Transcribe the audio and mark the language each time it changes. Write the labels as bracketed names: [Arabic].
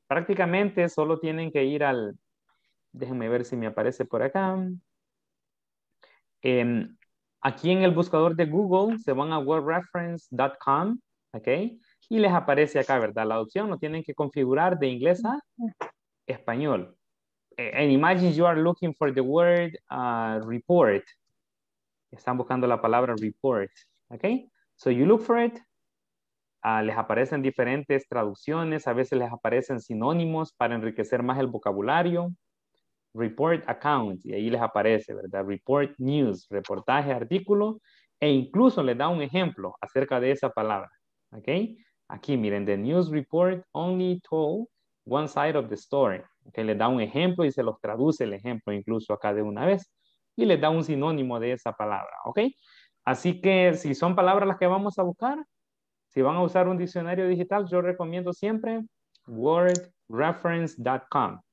[Spanish] Prácticamente solo tienen que ir al... Déjenme ver si me aparece por acá. Aquí en el buscador de Google se van a wordreference.com, ¿ok? Y les aparece acá, ¿verdad? La opción lo tienen que configurar de inglés a español. [English] And imagine you are looking for the word report. [Spanish] Están buscando la palabra report, ¿ok? [English] So you look for it. [Spanish] Les aparecen diferentes traducciones. A veces les aparecen sinónimos para enriquecer más el vocabulario. Report account. Y ahí les aparece, ¿verdad? Report news. Reportaje, artículo. E incluso les da un ejemplo acerca de esa palabra, ¿ok? Aquí, miren, [English] the news report only told one side of the story. [Spanish] ¿Okay? Les da un ejemplo y se los traduce el ejemplo incluso acá de una vez. Y les da un sinónimo de esa palabra, ¿ok? Así que si son palabras las que vamos a buscar, si van a usar un diccionario digital, yo recomiendo siempre wordreference.com.